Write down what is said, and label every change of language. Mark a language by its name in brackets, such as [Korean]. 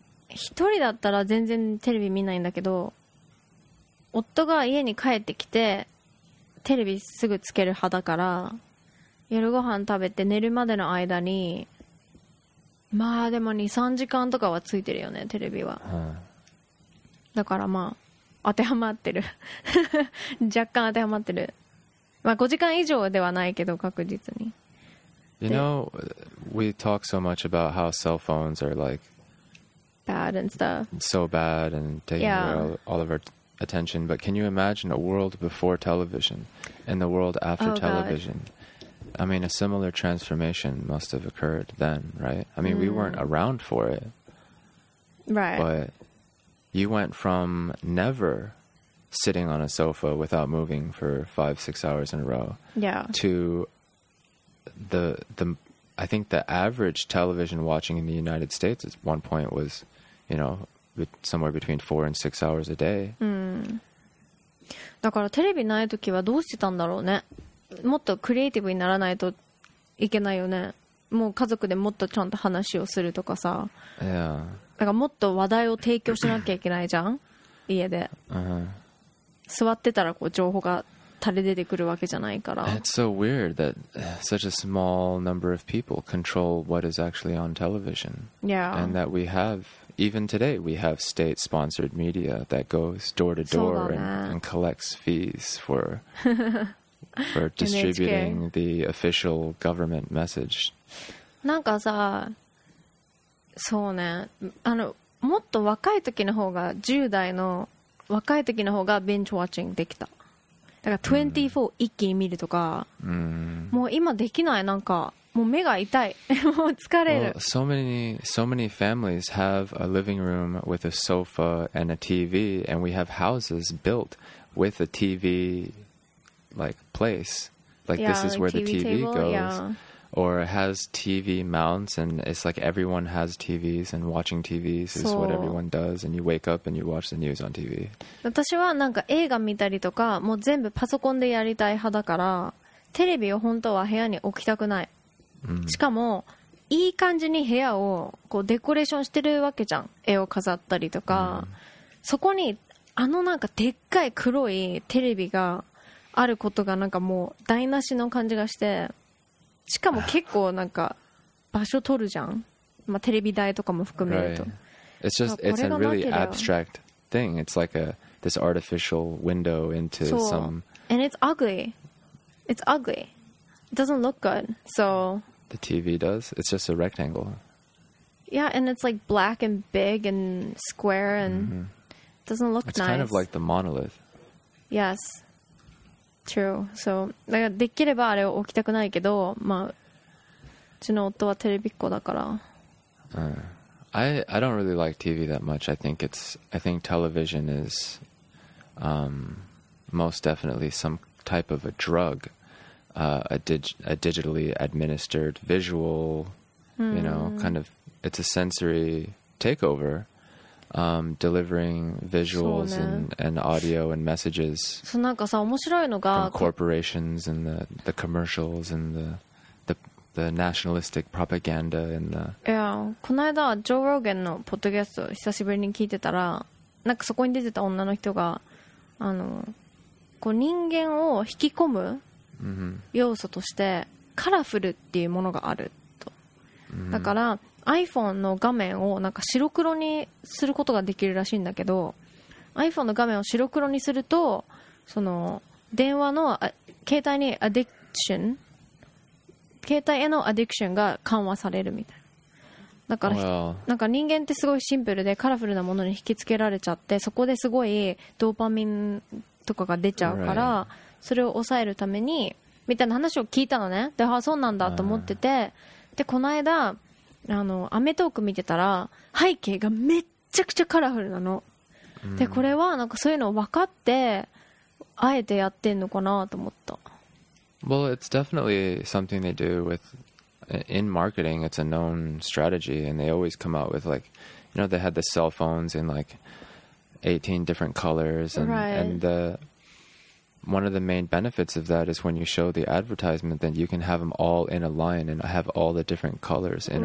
[Japanese] 一人だったら全然テレビ見ないんだけど、夫が家に帰ってきてテレビすぐつける派だから、夜ご飯食べて寝るまでの間にまあでも 2,3 時間とかはついてるよねテレビは、だからまあ当てはまってる若干当てはまってる、まあ5時間以上ではないけど確実に。 [English] You know, we talk so much about how cell phones are like bad and stuff, so bad and taking、yeah. all of our attention, but can you imagine a world before television and the world after、oh, television、God. I mean, a similar transformation must have occurred then, right? I mean,、mm. we weren't around for it. Right. But you went from never sitting on a sofa without moving for 5-6 hours in a row. Yeah. To the, I think the average television watching in the United States at one point was, you know, somewhere between 4 and 6 hours a day. Mm. [Japanese] だからテレビない時はどうしてたんだろうね。もっとクリエイティブにならないといけないよね。もう家族でもっとちゃんと話をするとかさ、 [English] yeah. [Japanese] だからもっと話題を提供しなきゃいけないじゃん家で、 uh-huh. 座ってたらこう情報が垂れ出てくるわけじゃないから。 [English] It's so weird that such a small number of people control what is actually on television、 yeah. and that we have even today we have state sponsored media that goes door to door and collects fees for for distributing the official government message. [Japanese] なんかさ、そうね、あのもっと若い時の方が、10代の若い時の方がビンチウォッチングできた。だから24、mm. 一気に見るとか、 mm. もう今できない。なんかもう目が痛い。もう疲れる。 [English] Well, so many families have a living room with a sofa and a TV, and we have houses built with a TV. Like place, like yeah, this is where TV the TV table, goes,、 yeah. or has TV mounts, and it's like everyone has TVs and watching TVs is、 so. what everyone does, and you wake up and you watch the news on TV. [Japanese] 私はなんか映画見たりとかもう全部パソコンでやりたい派だから、テレビを本当は部屋に置きたくない。 Mm. しかもいい感じに部屋をこうデコレーションしてるわけじゃん。絵を飾ったりとか、mm. そこにあのなんかでっかい黒いテレビがあることがなんかもう台無しの感じがして、しかも結構なんか場所取るじゃん、まあ、テレビ台とかも含めると、 [English] right. It's just it's a really abstract thing. It's like a this artificial window into some and it's ugly. It's ugly. It doesn't look good. So the TV does. It's just a rectangle. Yeah, and it's like black and big and square and、mm-hmm. doesn't look it's nice. It's kind of like the monolith. Yes. True. [Japanese] So, だからできればあれを置きたくないけど、まあ、うちの夫はテレビっ子だから。 [English] I don't really like TV that much. I think television is、most definitely some type of a drug,、a digitally administered visual,、mm. you know, kind of it's a sensory takeover. Delivering visuals、 [Japanese] ね、 [English] and audio and messages. [Japanese] そうなんかさ面白いのが、 [English] from corporations and the commercials and the nationalistic propaganda and the. [Japanese] Yeah, この間ジョー・ローゲンのポッドキャスト久しぶりに聞いてたら、なんかそこに出てた女の人が、あのこう人間を引き込む要素としてカラフルっていうものがあると。 Mm-hmm. だから。 iPhone の画面をなんか白黒にすることができるらしいんだけど、 iPhone の画面を白黒にするとその電話の携帯にアディクション携帯へのアディクションが緩和されるみたいな。だから、 [English] well. [Japanese] なんか人間ってすごいシンプルでカラフルなものに引きつけられちゃって、そこですごいドーパミンとかが出ちゃうから、 [English] right. [Japanese] それを抑えるためにみたいな話を聞いたのね。で、あ、そうなんだと思ってて、でこの間あのアメトーク見てたら背景がめっちゃくちゃカラフルなの、 mm. でこれはなんかそういうのを分かってあえてやってんのかなと思った。 [English] Well, it's definitely something they do with in marketing. It's a known strategy, and they always come out with like, you know, they had the cell phones in like 18 different colors, and right. and the one of the main benefits of that is when you show the advertisement, then you can have them all in a line and have all the different colors in